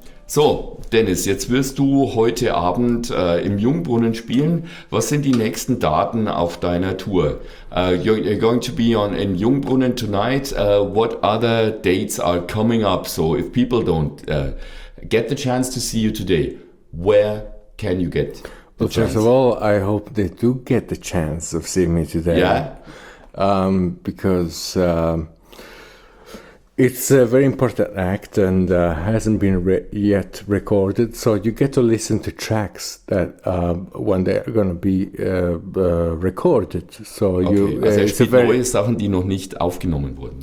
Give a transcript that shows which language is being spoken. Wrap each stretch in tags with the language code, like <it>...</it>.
<de>So, Dennis, jetzt wirst du heute Abend im Jungbrunnen spielen. Was sind die nächsten Daten auf deiner Tour?</de> <en>You're going to be on in Jungbrunnen tonight. What other dates are coming up? So, if people don't get the chance to see you today, where can you get the chance? Well, first of all, I hope they do get the chance of seeing me today. Yeah. Because... It's a very important act and hasn't been yet recorded. So you get to listen to tracks that when they're going to be recorded. So you, okay.</en> <de>Also er spielt neue Sachen, die noch nicht aufgenommen wurden.</de>